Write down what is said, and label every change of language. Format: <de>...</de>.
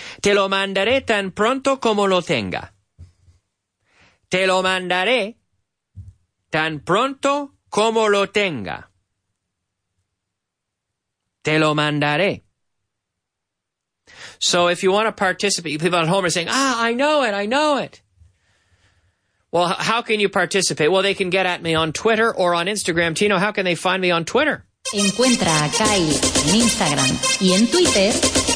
<es>Te lo mandaré tan pronto como lo tenga. Te lo mandaré tan pronto como lo tenga. Te lo mandaré.</es> <en>So if you want to participate, people at home are saying, ah, I know it, I know it. Well, how can you participate? Well, they can get at me on Twitter or on Instagram. Tino, how can they find me on Twitter?</en> <es>Encuentra a Kyle en Instagram y en Twitter.</es>